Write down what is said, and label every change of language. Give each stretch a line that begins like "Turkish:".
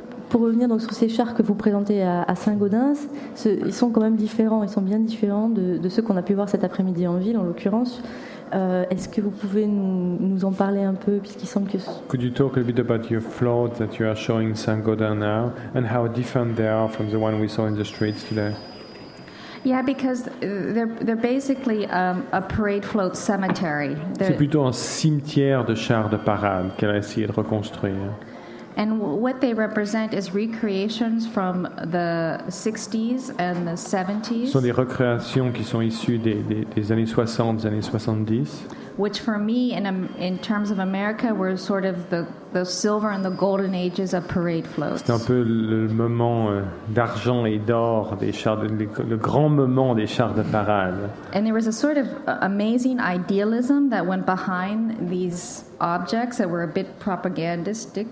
French: Pour revenir donc sur ces chars que vous présentez à Saint-Gaudens, ils sont quand même différents, ils sont bien différents de ceux qu'on a pu voir cet après-midi en ville en l'occurrence. Est-ce que vous pouvez nous en parler un peu, puisqu'il semble que...
English: Could you talk a bit about your float that you are showing in Saint-Gaudens now, and how different they are from the one we saw in the streets today? Yeah, because they're basically a parade float cemetery.
French: C'est plutôt un cimetière de chars de parade qu'elle a essayé de reconstruire.
English: And what they represent is recreations from the 60s and the 70s.
French: Ce sont des recréations qui sont issues des années 60, des années 70.
English: Which for me, in terms of America, were sort of the silver and the golden ages of parade floats.
French: C'était un peu le moment d'argent et d'or des chars, le grand moment des chars de parade.
English: And there was a sort of amazing idealism that went behind these objects that were a bit propagandistic.